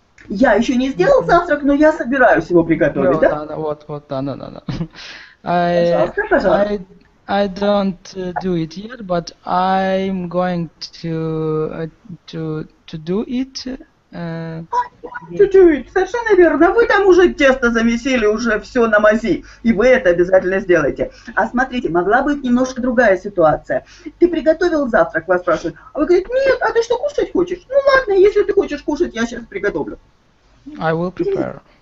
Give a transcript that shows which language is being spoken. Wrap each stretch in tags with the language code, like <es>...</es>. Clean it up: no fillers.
<ru>Я еще не сделал завтрак, но я собираюсь его приготовить, вот, да? Да. Пожалуйста.</ru> <en>I don't do it yet, but I'm going to do it.</en> <ru>Совершенно верно. Вы там уже тесто замесили, уже все на мази, и вы это обязательно сделаете. А смотрите, могла быть немножко другая ситуация. Ты приготовил завтрак, вас спрашивают, а вы говорите, нет, а ты что, кушать хочешь? Ну ладно, если ты хочешь кушать, я сейчас приготовлю.</ru> <en>I will prepare.</en>